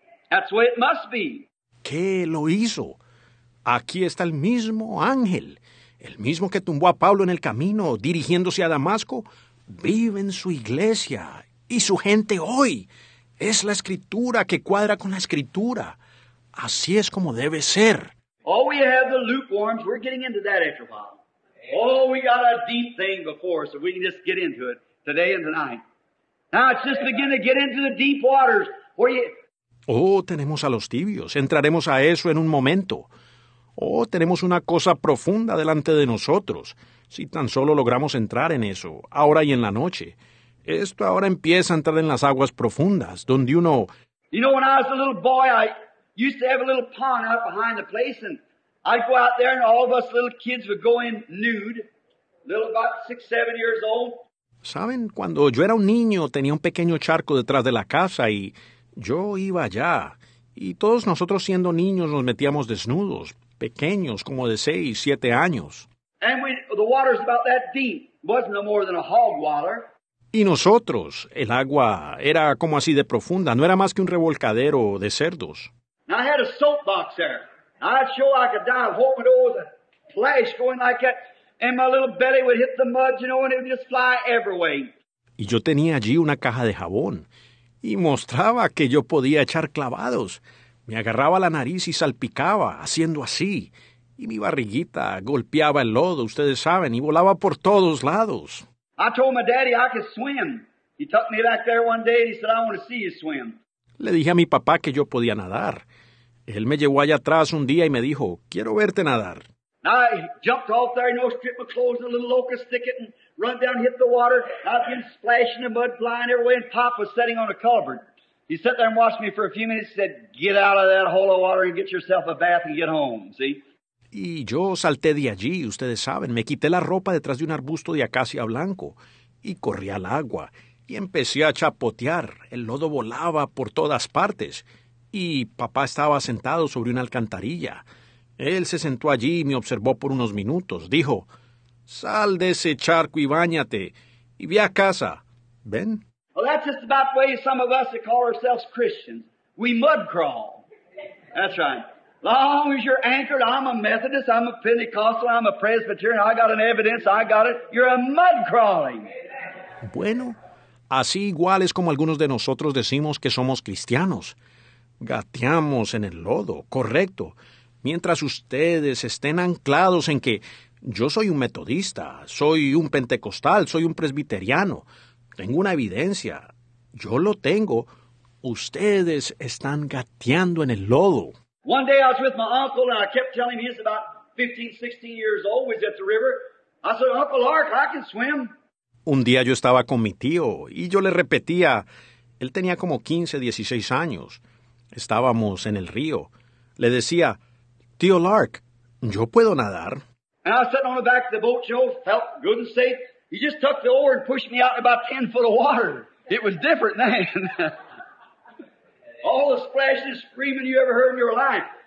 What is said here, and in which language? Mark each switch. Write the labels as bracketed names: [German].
[English] That's the way it must be. [Spanish] ¿Qué lo hizo? Aquí está el mismo ángel, el mismo que tumbó a Pablo en el camino dirigiéndose a Damasco, vive en su iglesia. Y su gente hoy es la escritura que cuadra con la escritura. Así es como debe ser. [English] Oh, we have the lukewarms. We're getting into that after a while. Oh, we got a deep thing before us, so we can just get into it today and tonight. Now it's just beginning to get into the deep waters. [Spanish] Oh, tenemos a los tibios. Entraremos a eso en un momento. Oh, tenemos una cosa profunda delante de nosotros. Si tan solo logramos entrar en eso, ahora y en la noche. Esto ahora empieza a entrar en las aguas profundas, donde uno... [English] You know, when I was a little boy, I used to have a little pond out behind the place, and I'd go out there, and all of us little kids would go in nude, little about 6, 7 years old. [Spanish] ¿Saben? Cuando yo era un niño, tenía un pequeño charco detrás de la casa, y yo iba allá, Y todos nosotros siendo niños nos metíamos desnudos, pequeños, como de 6, 7 años. [English] And we, the water's about that deep. Wasn't no more than a hog water. [Spanish] Y nosotros, el agua era como así de profunda, no era más que un revolcadero de cerdos. [English] And I had a soapbox there. I'd show I could die hoping it was a flash going like that. And my little belly would hit the mud, you know, and it would just fly everywhere. [Spanish] Y yo tenía allí una caja de jabón. Y mostraba que yo podía echar clavados. Me agarraba la nariz y salpicaba, haciendo así. Y mi barriguita golpeaba el lodo, ustedes saben, y volaba por todos lados. [English] I told my daddy I could swim. He took me back there one day and he said, I want to see you swim. [Spanish] Le dije a mi papá que yo podía nadar. Él me llevó allá atrás un día y me dijo, quiero verte nadar. [English] I jumped off there, you know, stripped my clothes in a little locust thicket and run down and hit the water. I've been splashing the mud, flying everywhere, and Pop was sitting on a culvert. He sat there and watched me for a few minutes and said, get out of that hole of water and get yourself a bath and get home, see? [Spanish] Y yo salté de allí, ustedes saben, me quité la ropa detrás de un arbusto de acacia blanco y corrí al agua y empecé a chapotear. El lodo volaba por todas partes y papá estaba sentado sobre una alcantarilla. Él se sentó allí y me observó por unos minutos. Dijo, sal de ese charco y báñate y ve a casa. ¿Ven? [English] Well, that's just about the way some of us that call ourselves Christians. We mud crawl. That's right. Long as you're anchored, I'm a Methodist, I'm a Pentecostal, I'm a Presbyterian, I got an evidence, I got it. You're a mud crawling. [Spanish] Bueno, así igual es como algunos de nosotros decimos que somos cristianos. Gateamos en el lodo, correcto. Mientras ustedes estén anclados en que yo soy un metodista, soy un pentecostal, soy un presbiteriano, tengo una evidencia, yo lo tengo, ustedes están gateando en el lodo. [English] One day I was with my uncle and I kept telling him he's about 15, 16 years old, was at the river. I said, Uncle Ark, I can swim. [Spanish] Un día yo estaba con mi tío y yo le repetía, él tenía como 15, 16 años, estábamos en el río. Le decía, tío Lark, yo puedo nadar. [English] And I was sitting on the back of the boat, Joe, felt good and safe. He just took the oar and pushed me out in about 10 foot of water. It was different then. All the splashing and screaming you ever heard in your life.